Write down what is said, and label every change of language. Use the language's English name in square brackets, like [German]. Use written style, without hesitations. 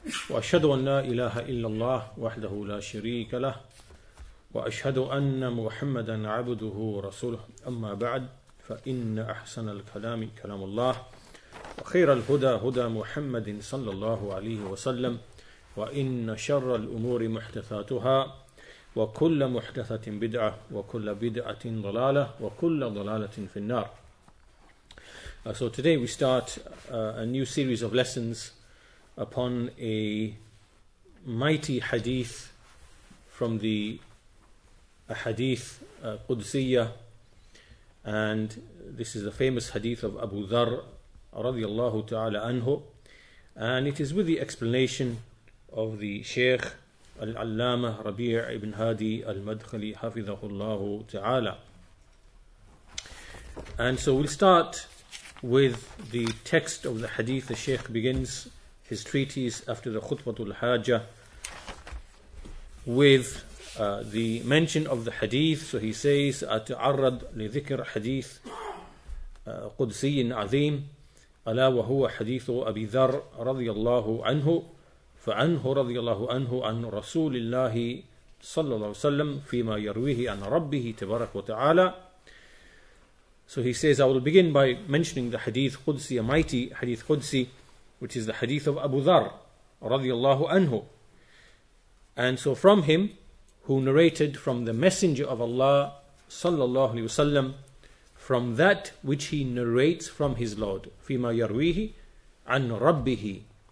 [Arabic] وأشهد أن لا إله إلا الله وحده لا شريك له وأشهد أن محمدا عبده ورسوله أما بعد فإن أحسن الكلام كلام الله وخير الهدى هدى محمد صلى الله عليه وسلم وإن شر الأمور محدثاتها وكل محدثة بدعة وكل بدعة ضلالة وكل ضلالة في النار. [English] So today we start a new series of lessons upon a mighty hadith from the hadith قدسية, and this is the famous hadith of Abu Dharr [Arabic] رضي الله تعالى عنه, [English] and it is with the explanation of the Sheikh Al-Allama Rabi' ibn Hadi Al-Madkhali Hafidhahullahu Ta'ala. And so we'll start with the text of the hadith. The Sheikh begins his treatise after the Khutbatul Hajjah with the mention of the hadith. So he says, [Arabic] أتعرض لذكر حديث قدسي عظيم ألا وهو حديث أبي ذر رضي الله عنه فعنه رضي الله عنه عن رسول الله صلى الله عليه وسلم فيما يرويه عن ربه تبارك وتعالى. [English] So he says, I will begin by mentioning the hadith Qudsi, a mighty hadith Qudsi, which is the hadith of Abu Dharr [Arabic] رضي الله عنه. [English] And so from him, who narrated from the messenger of Allah [Arabic] صلى الله عليه وسلم, [English] from that which he narrates from his Lord, [Arabic] فيما يرويه عن ربه.